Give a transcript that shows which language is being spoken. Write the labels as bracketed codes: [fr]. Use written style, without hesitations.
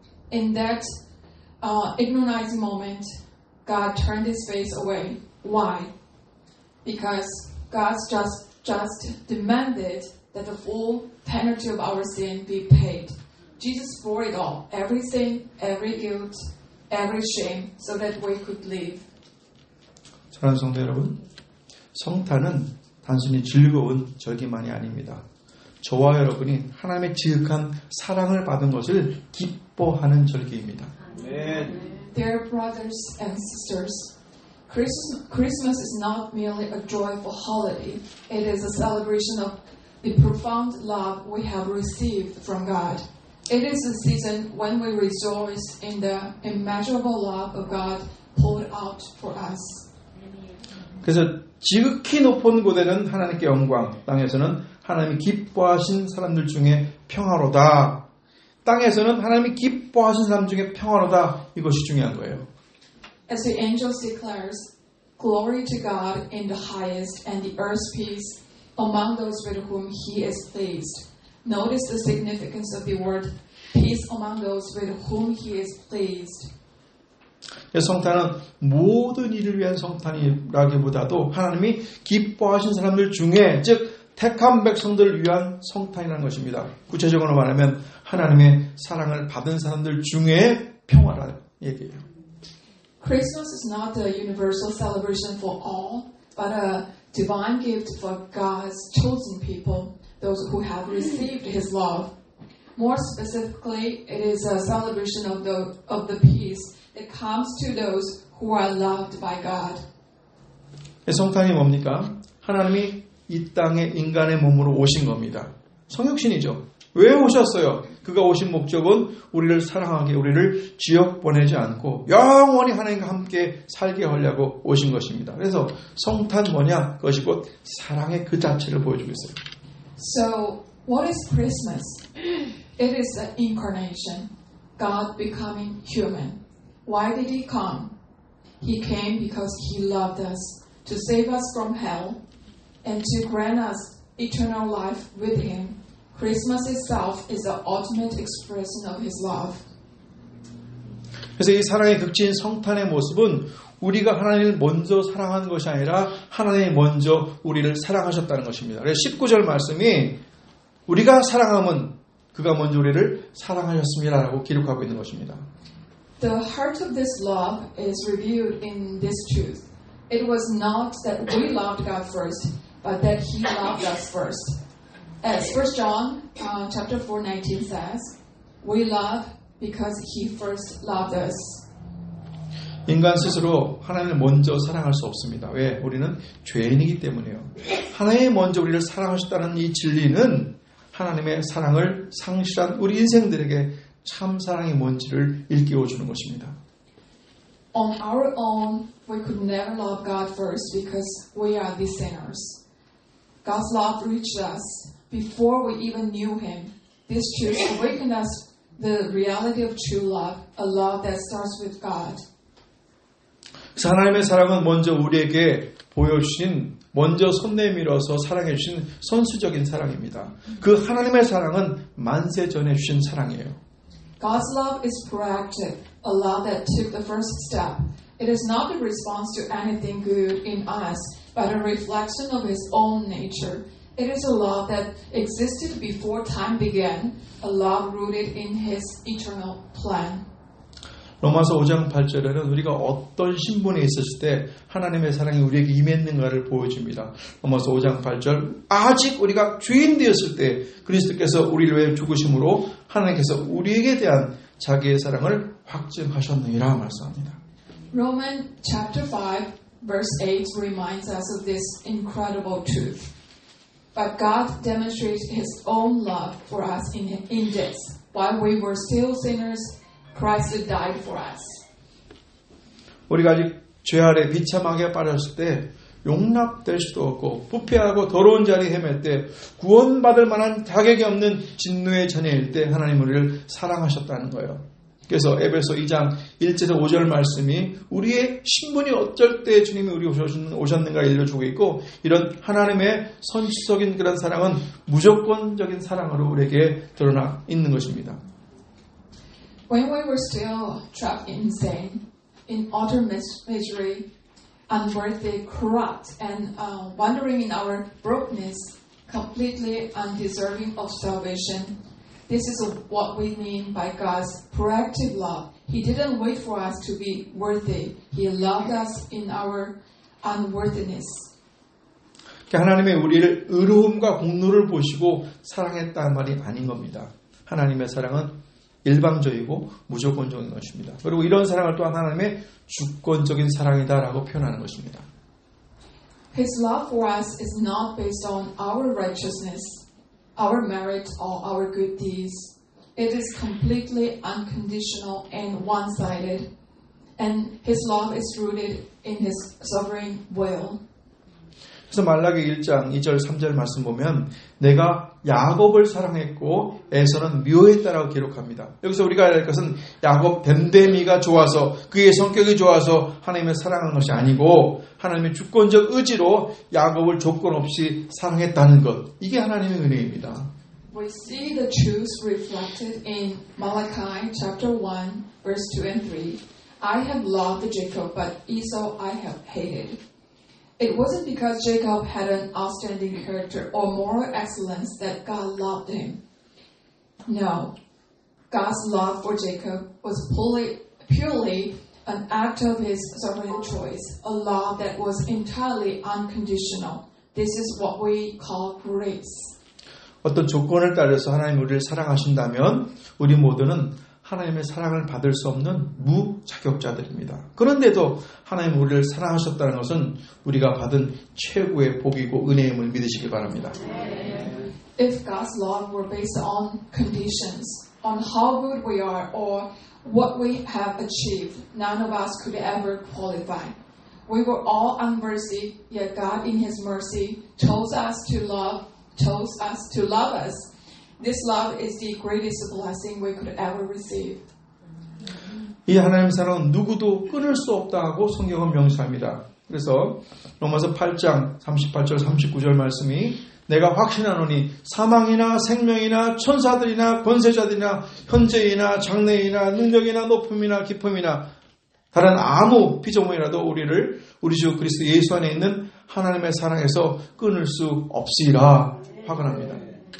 [en] In that agonizing moment, God turned his face away. Why? Because God just demanded that the full penalty of our sin be paid. Jesus bore it all, every sin, every guilt, every shame, so that we could live. [ko] 사랑하는 단순히 즐거운 절기만이 아닙니다. 저와 여러분이 하나님의 지극한 사랑을 받은 것을 기뻐하는 절기입니다. [en] Dear brothers and sisters, Christmas is not merely a joyful holiday. It is a celebration of the profound love we have received from God. It is a season when we rejoice in the immeasurable love of God poured out for us. [ko] 그래서 지극히 높은 곳에는 하나님께 영광, 땅에서는 하나님이 기뻐하신 사람들 중에 평화로다. 땅에서는 하나님이 기뻐하신 사람 중에 평화로다. 이것이 중요한 거예요. [en] As the angels declares, glory to God in the highest and the earth peace among those with whom he is pleased. Notice the significance of the word peace among those with whom he is pleased. [ko] 성탄은 모든 이를 위한 성탄이라기보다도 하나님이 기뻐하신 사람들 중에 즉 택한 백성들을 위한 성탄이라는 것입니다. 구체적으로 말하면 하나님의 사랑을 받은 사람들 중에 평화라는 얘기예요. [en] Christmas is not a universal celebration for all, but a divine gift for God's chosen people. Those who have received His love. More specifically, it is a celebration of the peace that comes to those who are loved by God. [ko] 성탄이 뭡니까? 하나님이 이 땅에 인간의 몸으로 오신 겁니다. 성육신이죠. 왜 오셨어요? 그가 오신 목적은 우리를 사랑하게, 우리를 지옥 보내지 않고 영원히 하나님과 함께 살게 하려고 오신 것입니다. 그래서 성탄 뭐냐? 그것이 곧 사랑의 그 자체를 보여주고 있어요. [en] So, what is Christmas? It is the incarnation, God becoming human. Why did he come? He came because he loved us, to save us from hell, and to grant us eternal life with him. Christmas itself is the ultimate expression of his love. [ko] 그래서 이 사랑의 극진 성탄의 모습은 우리가 하나님을 먼저 사랑한 것이 아니라 하나님이 먼저 우리를 사랑하셨다는 것입니다. 그래서 19절 말씀이 우리가 사랑함은 그가 먼저 우리를 사랑하셨습니다라고 기록하고 있는 것입니다. [en] The heart of this love is revealed in this truth. It was not that we loved God first, but that he loved us first. As 1 John chapter 4, 19 says, we love because he first loved us. [ko] 인간 스스로 하나님을 먼저 사랑할 수 없습니다. 왜? 우리는 죄인이기 때문이에요. 하나님이 먼저 우리를 사랑하셨다는 이 진리는 하나님의 사랑을 상실한 우리 인생들에게 참 사랑이 뭔지를 일깨워주는 것입니다. [en] On our own, we could never love God first because we are the sinners. God's love reached us before we even knew him. This truth awakened us the reality of true love, a love that starts with God. [ko] 하나님의 사랑은 먼저 우리에게 보여주신, 먼저 손 내밀어서 사랑해 주신 선수적인 사랑입니다. 그 하나님의 사랑은 만세 전에 주신 사랑이에요. [en] God's love is proactive, a love that took the first step. It is not a response to anything good in us, but a reflection of His own nature. It is a love that existed before time began, a love rooted in His eternal plan. [ko] 로마서 5장 8절에는 우리가 어떤 신분에 있었을 때 하나님의 사랑이 우리에게 임했는가를 보여줍니다. 로마서 5장 8절, 아직 우리가 죄인 되었을 때 그리스도께서 우리를 위해 죽으심으로 하나님께서 우리에게 대한 자기의 사랑을 확증하셨느니라 말씀합니다. [en] Romans chapter 5 verse 8 reminds us of this incredible truth. But God demonstrates his own love for us in this. While we were still sinners, Christ who died for us. [ko] 우리가 아직 죄 아래 비참하게 빠졌을 때 용납될 수도 없고 부패하고 더러운 자리에 헤맬 때 구원받을 만한 자격이 없는 진노의 자녀일 때 하나님 우리를 사랑하셨다는 거예요. 그래서 에베소 2장 1절에서 5절 말씀이 우리의 신분이 어쩔 때 주님이 우리 오셨는가 알려주고 있고 이런 하나님의 선취적인 그런 사랑은 무조건적인 사랑으로 우리에게 드러나 있는 것입니다. [en] When we were still trapped in sin, in utter misery, unworthy, corrupt, and wandering in our brokenness, completely undeserving of salvation, this is what we mean by God's proactive love. He didn't wait for us to be worthy. He loved us in our unworthiness. [ko] 하나님의 우리를 의로움과 공로를 보시고 사랑했다는 말이 아닌 겁니다. 하나님의 사랑은 일방적이고 무조건적인 것입니다. 그리고 이런 사랑을 또한 하나님의 주권적인 사랑이다라고 표현하는 것입니다. [en] His love for us is not based on our righteousness, our merit or our good deeds. It is completely unconditional and one-sided. And His love is rooted in His sovereign will. [ko] 그래서 말라기 1장 2절 3절 말씀 보면 내가 야곱을 사랑했고 에서는 미워했다라고 기록합니다. 여기서 우리가 알 것은 야곱 됨됨이가 좋아서 그의 성격이 좋아서 하나님을 사랑한 것이 아니고 하나님의 주권적 의지로 야곱을 조건 없이 사랑했다는 것. 이게 하나님의 은혜입니다. [en] We see the truth reflected in Malachi chapter 1 verse 2 and 3. I have loved Jacob, but Esau I have hated. It wasn't because Jacob had an outstanding character or moral excellence that God loved him. No, God's love for Jacob was purely an act of his sovereign choice, a love that was entirely unconditional. This is what we call grace. [ko] 어떤 조건을 따라서 하나님 우리를 사랑하신다면 우리 모두는 하나님의 사랑을 받을 수 없는 무자격자들입니다. 그런데도 하나님 우리를 사랑하셨다는 것은 우리가 받은 최고의 복이고 은혜임을 믿으시기 바랍니다. [en] If God's love were based on conditions, on how good we are or what we have achieved, none of us could ever qualify. We were all unworthy, yet God in His mercy chose us to love us. This love is the greatest blessing we could ever receive. [ko] 이 하나님의 사랑은 누구도 끊을 수 없다고 성경은 명시합니다. 그래서 로마서 8장 38절 39절 말씀이 내가 확신하노니 사망이나 생명이나 천사들이나 권세자들이나 현재이나 장래이나 능력이나 높음이나 깊음이나 다른 아무 피조물이라도 우리를 우리 주 그리스도 예수 안에 있는 하나님의 사랑에서 끊을 수 없으리라 확언합니다.